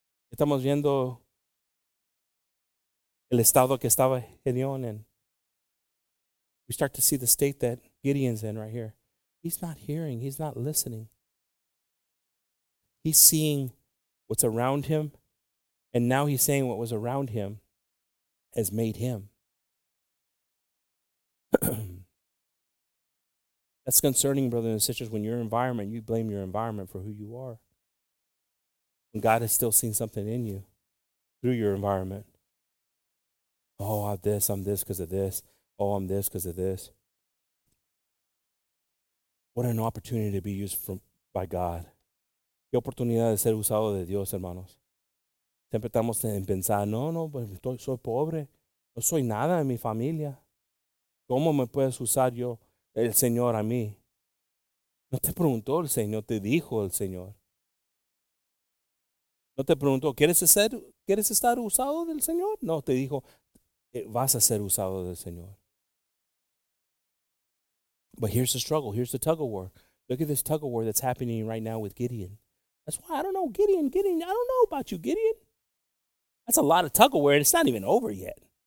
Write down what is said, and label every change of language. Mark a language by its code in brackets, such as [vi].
[es] Estamos viendo el estado que estaba Gedeón en. [en] We start to see the state that Gideon's in right here. He's not hearing. He's not listening. He's seeing what's around him, and now he's saying what was around him has made him. That's concerning, brothers and sisters, when your environment, you blame your environment for who you are. When God has still seen something in you through your environment. Oh, I'm this because of this. Oh, I'm this because of this. What an opportunity to be used by God. [es] Qué oportunidad de ser usado de Dios, hermanos. Siempre estamos en pensar, no, soy pobre. No soy nada en mi familia. ¿Cómo me puedes usar yo, el Señor, a mí? No te preguntó el Señor, te dijo el Señor. No te preguntó, ¿quieres estar usado del Señor? No, te dijo, vas a ser usado del Señor. [en] But here's the struggle, here's the tug of war. Look at this tug of war that's happening right now with Gideon. That's why, I don't know, Gideon, I don't know about you, Gideon. That's a lot of tug of war, and it's not even over yet.